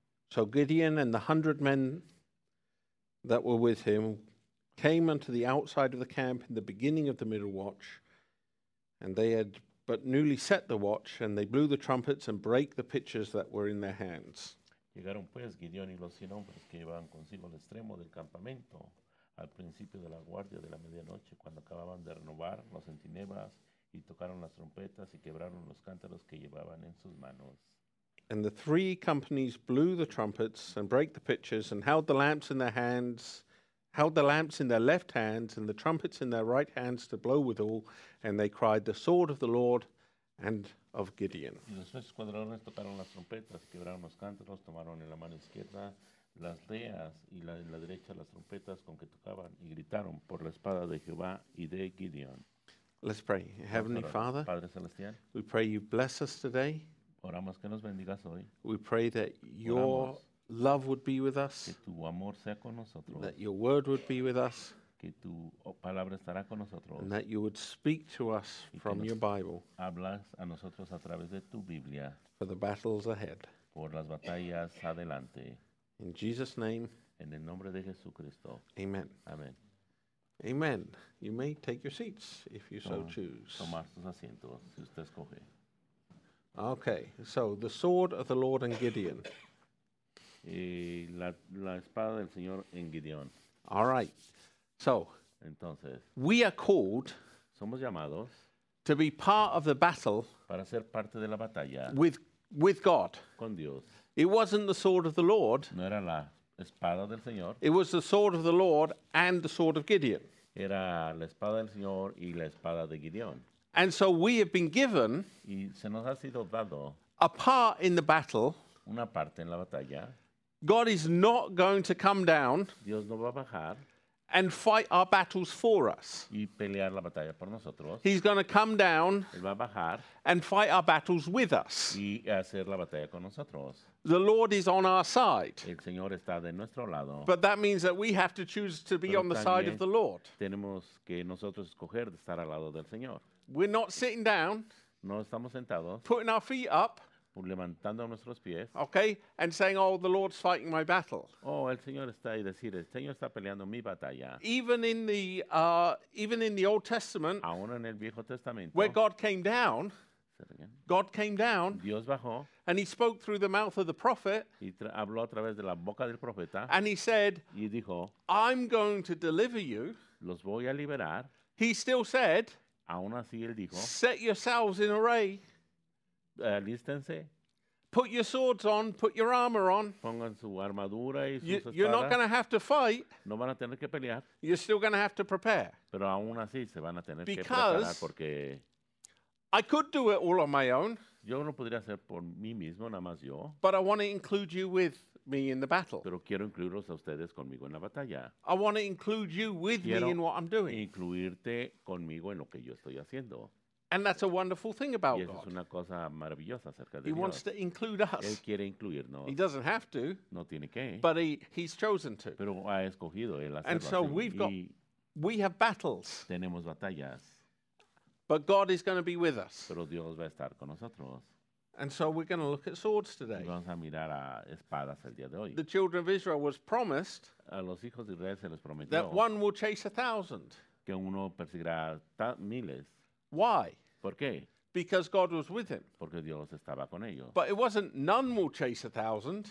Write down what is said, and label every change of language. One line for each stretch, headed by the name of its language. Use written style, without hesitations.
English: So Gideon and the 100 men that were with him came unto the outside of the camp in the beginning of the middle watch, and they had but newly set the watch, and they blew the trumpets and brake the pitchers that were in their hands.
Spanish: Llegaron pues Gideón y los 100 hombres que iban consigo al extremo del campamento, al principio de la guardia de la medianoche, cuando acababan de renovar los centinelas y tocaron las trompetas y quebraron los cántaros que llevaban en sus manos.
English: And the three companies blew the trumpets and brake the pitchers and held the lamps in their hands, held the lamps in their left hands and the trumpets in their right hands to blow withal, and they cried, "The sword of the Lord and of Gideon."
Spanish: Y los tres escuadrones tocaron las trompetas, quebraron los cántaros, tomaron en la mano izquierda las leas y la, en la derecha las trompetas con que tocaban y gritaron por la espada de Jehová y de Gideon.
English: Let's pray. Heavenly Father,
Spanish: Padre Celestial,
English: we pray you bless us today.
Spanish: Oramos que nos bendigas hoy.
English: We pray that your love would be with us.
Spanish: Que tu amor sea con nosotros.
English: That your word would be with us.
Spanish: Que tu palabra estará con nosotros.
English: And that you would speak to us from your Bible.
Spanish: Hablas a nosotros a través de tu Biblia.
English: For the battles ahead.
Spanish: Por las batallas adelante.
English: In Jesus' name.
Spanish: En el nombre de Jesucristo.
English: Amen.
Spanish: Amen. Amen.
English: You may take your seats if you so choose.
Spanish: Tomar sus asientos si usted escoge.
English: Okay. So the sword of the Lord and Gideon.
Spanish: Y la espada del Señor en Gideon.
English: All right. So,
Spanish: entonces,
English: we are called
Spanish: somos llamados
English: to be part of the battle
Spanish: para ser parte de la batalla
English: with God.
Spanish: Con Dios.
English: It wasn't the sword of the Lord.
Spanish: No era la espada del Señor.
English: It was the sword of the Lord and the sword of Gideon.
Spanish: Era la espada del Señor y la espada de Gideon.
English: And so we have been given
Spanish: y se nos ha sido dado
English: a part in the battle.
Spanish: Una parte en la batalla.
English: God is not going to come down.
Spanish: Dios no va a bajar.
English: And fight our battles for us.
Spanish: Y pelear la batalla por nosotros.
English: He's going to come down.
Spanish: Él va a bajar.
English: And fight our battles with us.
Spanish: Y hacer la batalla con nosotros.
English: The Lord is on our side.
Spanish: El Señor está de nuestro lado.
English: But that means that we have to choose to be
Spanish: pero
English: on the side of the Lord.
Spanish: Tenemos que nosotros escoger de estar al lado del Señor.
English: We're not sitting down.
Spanish: No estamos sentados.
English: Putting our feet up.
Spanish: Levantando nuestros pies.
English: Okay, and saying, "Oh, the Lord's fighting my battle."
Spanish: Oh, el Señor está y decir, el Señor está peleando mi batalla.
English: Even in the Old Testament,
Spanish: aún en el Viejo Testamento,
English: where God came down, God came down.
Spanish: Dios bajó,
English: and He spoke through the mouth of the prophet.
Spanish: Y habló a través de la boca del profeta.
English: And He said,
Spanish: y dijo,
English: "I'm going to deliver you."
Spanish: Los voy a liberar.
English: He still said,
Spanish: aún así él dijo,
English: "Set yourselves in array."
Spanish: Alístense.
English: Put your swords on, put your armor on.
Spanish: Pongan su armadura y sus
English: espadas. You're not going to have to fight.
Spanish: No van a tener que pelear.
English: You're still going to have to prepare.
Spanish: Pero aún así se van a tener que preparar porque
English: I could do it all on my own.
Spanish: Yo no podría hacer por mí mismo, nada más yo.
English: But I want to include you with me in the battle.
Spanish: Pero quiero incluirlos a ustedes conmigo en la batalla.
English: I want to include you with
Spanish: quiero
English: me in what I'm doing.
Spanish: Incluirte conmigo en lo que yo estoy haciendo.
English: And that's a wonderful thing about
Spanish: y eso
English: God.
Spanish: Es una cosa maravillosa acerca de
English: he
Spanish: Dios.
English: Wants to include us.
Spanish: Él quiere incluirnos.
English: He doesn't have to.
Spanish: No tiene que.
English: But he's chosen to.
Spanish: Pero ha escogido él hacerlo.
English: And so we've got, we have battles.
Spanish: Tenemos batallas.
English: But God is going to be with us.
Spanish: Pero Dios va a estar con nosotros.
English: And so we're going to look at swords today.
Spanish: Y vamos a mirar a espadas el día de hoy.
English: The children of Israel was promised
Spanish: a los hijos de Israel se les prometió
English: that one will chase 1,000.
Spanish: Que uno perseguirá miles.
English: Why?
Spanish: ¿Por qué?
English: Because God was with him.
Spanish: Porque Dios estaba con ellos.
English: But it wasn't none will chase 1,000.